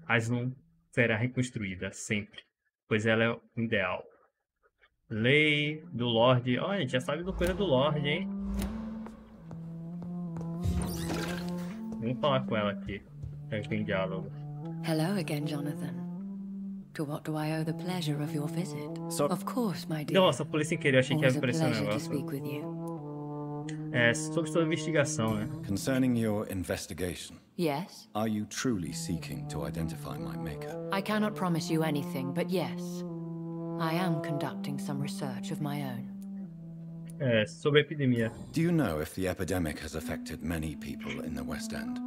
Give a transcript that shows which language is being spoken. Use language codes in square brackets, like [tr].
[pt] Aslan será reconstruída sempre, pois ela é o ideal. Lei do Lorde. Olha, a gente já sabe do coisa do Lorde, hein? Vamos falar com ela aqui. Tem diálogo. [en] Hello again, Jonathan. To what do I owe the pleasure of your visit? So... Of course, my dear. [pt] Nossa, falei sem querer, achei que ia aparecer um negócio. É, sobre sua investigação, né? [en] Concerning your investigation. Yes. Are you truly seeking to identify my maker? I cannot promise you anything, but yes. I am conducting some research of my own. [pt] É, sobre a epidemia. [en] Do you know if the epidemic has affected many people in the West End?